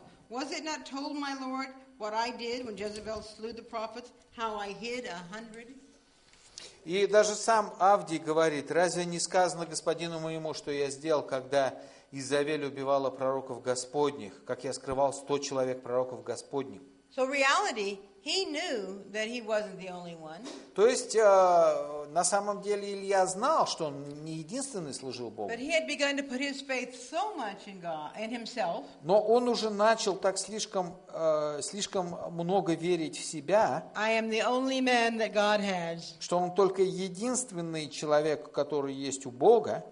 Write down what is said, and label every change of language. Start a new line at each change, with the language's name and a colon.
English: 13, what I did when Jezebel slew the prophets, how I hid 100.
Russian: И даже сам Авдий говорит, разве не сказано господину моему, что я сделал, когда Изавель убивала пророков Господних, как я скрывал 100 человек пророков Господних.
English: So reality, he knew that he wasn't the only one.
Russian: То есть, на самом деле Илья знал, что он не единственный служил Богу.
English: But he had begun to put his faith so much in God and himself.
Russian: Но он уже начал так слишком много верить в себя.
English: I am the only man that God has.
Russian: Что он только единственный человек, который есть у Бога.